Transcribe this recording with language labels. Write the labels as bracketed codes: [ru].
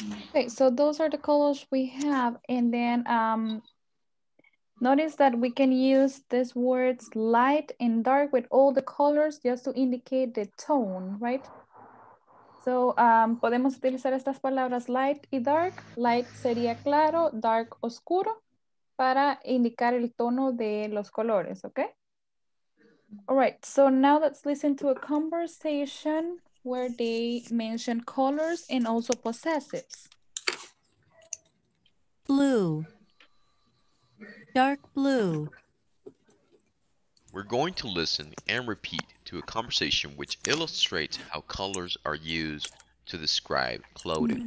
[en] Okay, so those are the colors we have, and then notice that we can use these words light and dark with all the colors just to indicate the tone, right? [es] So podemos utilizar estas palabras light y dark. Light sería claro, dark oscuro, para indicar el tono de los colores, okay? [en] All right, so now let's listen to a conversation where they mention colors and also possessives. Blue. Dark blue. We're going to listen and repeat to a conversation which illustrates how colors are used to describe clothing.